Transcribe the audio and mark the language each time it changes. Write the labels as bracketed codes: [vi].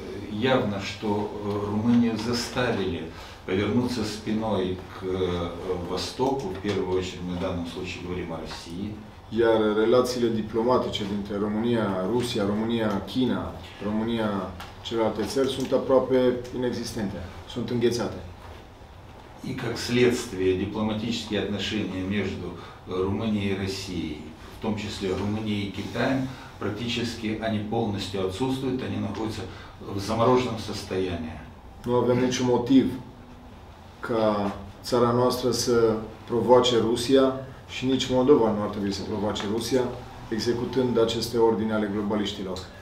[ru] Явно, что Румынию заставили повернуться спиной к Востоку, в первую очередь мы в данном случае говорим о России. [ro] Iar relațiile diplomatice dintre România, Rusia, România, China, România, celelalte țări sunt aproape inexistente, sunt înghețate. [ru] И как следствие дипломатические отношения между Румынией и Россией, в том числе Румынией и Китаем, практически они полностью отсутствуют, они находятся в замороженном состоянии. [ro] Nu avem niciun motiv ca țara noastră să provoace Rusia și nici Moldova nu ar trebui să provoace Rusia, executând aceste ordine ale globaliștilor.